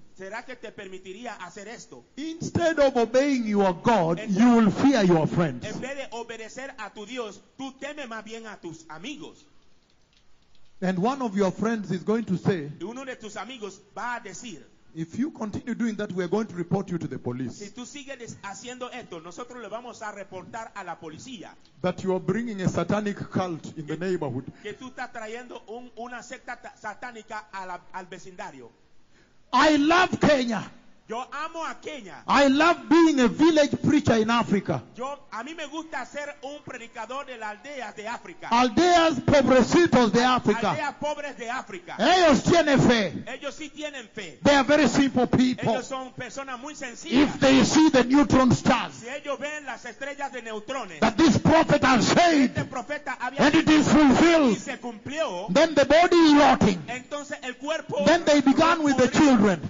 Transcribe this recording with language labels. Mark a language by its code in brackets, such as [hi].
[es] ¿Será que te permitiría hacer esto? [en] Instead of obeying your God, you will fear your friends. [es] En vez de obedecer a tu Dios, tú temes más bien a tus amigos. [en] And one of your friends is going to say, [es] uno de tus amigos va a decir, [en] if you continue doing that, we are going to report you to the police. [es] Si tú sigues haciendo esto, nosotros le vamos a reportar a la policía. [en] That you are bringing a satanic cult in the neighborhood. [es] Que tú estás trayendo una secta satánica al vecindario. [en] I love Kenya. [es] Yo amo a Kenya. [en] I love being a village preacher in Africa. [es] A mí me gusta ser un predicador de las aldeas de África. Aldeas pobrecitos de África. Aldeas pobres de África. Ellos tienen fe. Ellos sí tienen fe. [en] They are very simple people. [es] Ellos son personas muy sencillas. [en] If they see the neutron stars. [es] Si ellos ven las estrellas de neutrones. [en] That this prophet has said. [es] Este profeta había dicho. [en] And it is fulfilled. [es] Y se cumplió. [en] Then the body is rotting. [es] Entonces el cuerpo. [en] Then they began with the children.